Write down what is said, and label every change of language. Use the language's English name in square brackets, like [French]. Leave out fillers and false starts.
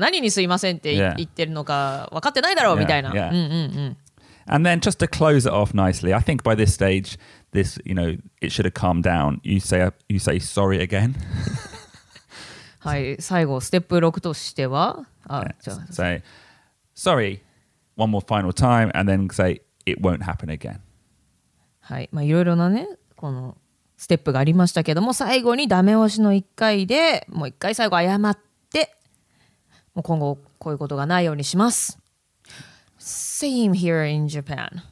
[Japanese] はいはいはいはい。いますよね。とにかくすみませんすみませんだけ言ってるけど、何にすみませんって言ってるのか分かってないだろうみたいな。 [English] And then just to close it off nicely, I think by this stage, this, you know, it should have calmed down. You say sorry again. [Japanese] はい、最後ステップ6としては、あ、じゃあ、say [English] sorry one more final time and then say it won't happen again. [Japanese] はい、まあいろいろなね、このステップがありましたけども、最後にダメ押しの1回で、もう1回最後謝って、もう今後こういうことがないようにします。 [English] Same here in Japan.